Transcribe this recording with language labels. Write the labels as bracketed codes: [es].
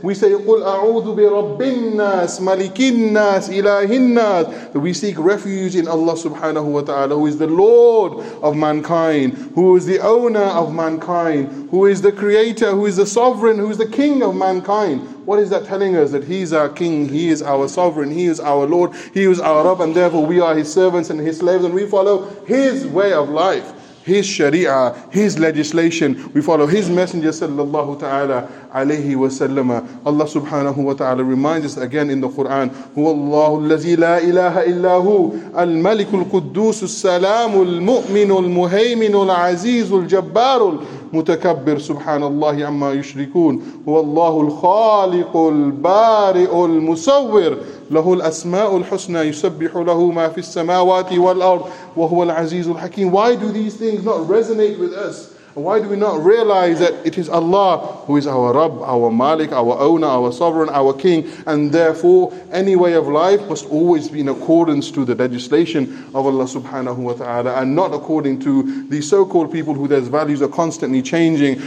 [en] We say, [ar] قُلْ أَعُوذُ بِرَبِّ النَّاسِ مَلِكِ النَّاسِ إِلَهِ النَّاسِ, [en] that we seek refuge in Allah subhanahu wa ta'ala, who is the Lord of mankind, who is the owner of mankind, who is the creator, who is the sovereign, who is the king of mankind. What is that telling us? That He is our king, He is our sovereign, He is our Lord, He is our Rabb, and therefore we are His servants and His slaves, and we follow His way of life, His Sharia, His legislation. We follow His Messenger sallallahu ta'ala alayhi wa sallam. Allah subhanahu wa ta'ala reminds us again in the Quran, [ar] هُوَ اللَّهُ الَّذِي لَا إِلَهَ إِلَّا هُوَ الْمَلِكُ الْقُدُّوسُ السَّلَامُ الْمُؤْمِنُ الْمُهَيْمِنُ الْعَزِيزُ الْجَبَّارُ الْمُتَكَبِّرُ سُبْحَانَ اللَّهِ عَمَّا يُشْرِكُونَ هُوَ اللَّهُ الْخَالِقُ الْبَارِئُ الْمُصَوِّرُ لَهُ الْأَسْمَاءُ الْحُسْنَى يُسَبِّحُ لَهُ مَا فِي السَّمَاوَاتِ وَالْأَرْضِ وَهُوَ الْعَزِيزُ الْحَكِيمُ. [en] Why do these things not resonate with us? Why do we not realize that it is Allah who is our Rabb, our Malik, our owner, our sovereign, our king, and therefore any way of life must always be in accordance to the legislation of Allah subhanahu wa ta'ala, and not according to the so-called people who their values are constantly changing.